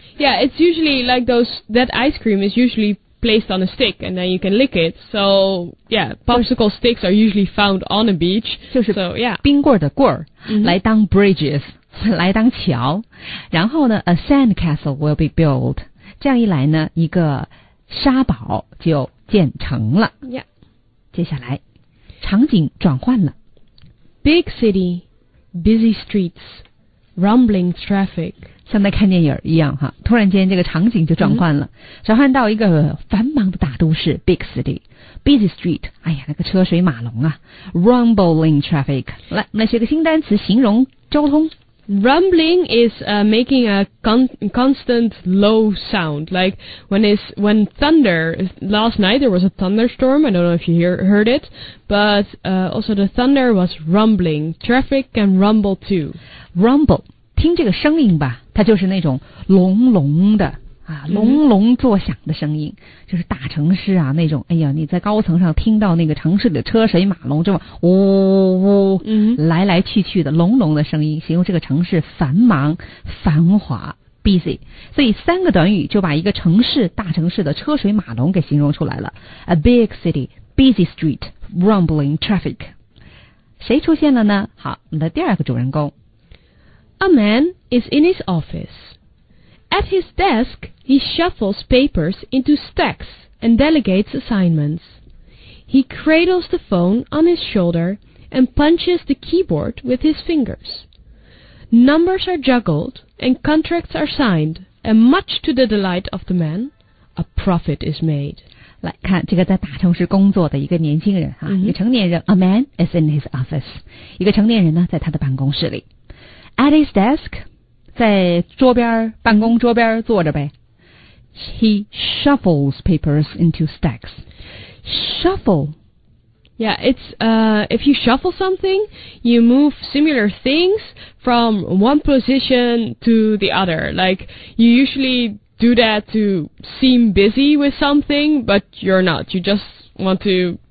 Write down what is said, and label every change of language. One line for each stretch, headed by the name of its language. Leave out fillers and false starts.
English: Yeah, it's usually like those. That ice cream is usually placed on a stick, and then you can lick it. So yeah, popsicle sticks are usually found on a beach.
Chinese: 就是
English: so, yeah.
Chinese: 冰棍的棍儿、mm-hmm. 来当 bridges， 来当桥。然后呢
English: ，a sandcastle will be built.
Chinese: 这样一来呢，一个沙堡就建成了。
English: Yeah.
Chinese: 接下来，场景转换了。
English: Big city, busy streets. Rumbling traffic，
Chinese: 像在看电影一样哈，突然间这个场景就转换了，转换到一个繁忙的大都市 ，
English: big city， busy street，
Chinese: 哎呀，那个车水马龙啊 ，
English: rumbling traffic，
Chinese: 来，我们来学个新单词，形容交通。
English: Rumbling is making a constant low sound, like when thunder. Last night there was a thunderstorm. I don't know if you heard it, but also the thunder was rumbling. Traffic can rumble too.
Chinese: Rumble, 听这个声音吧，它就是那种隆隆的啊，隆隆作响的声音，就是大城市啊那种。哎呀，你在高层上听到那个城市的车水马龙，这么呜呜呜，来来去去的隆隆的声音，形容这个城市繁忙、繁华、busy。所以三个短语就把一个城市、大城市的车水马龙给形容出来了 ：
English: a big city, busy street, rumbling traffic。
Chinese: 谁出现了呢？好，我们的第二个主人公
English: ，A man is in his office. At his desk, he shuffles papers into stacks and delegates assignments. He cradles the phone on his shoulder and punches the keyboard with his fingers. Numbers are juggled and contracts are signed, and much to the delight of the man, a profit is made.
Chinese: 来看这个在大城市工作的一个年轻人哈、mm-hmm. 一个成年人 ,
English: a man is in his office.
Chinese: 一个成年人呢在他的办公室里。
English: At his desk,
Chinese: 在桌边办公桌边坐着呗。
English: He shuffles papers into stacks. Shuffle. Yeah, it's if you shuffle something, you move similar things from one position to the other. Like you usually do that to seem busy with something, but you're not. You just want to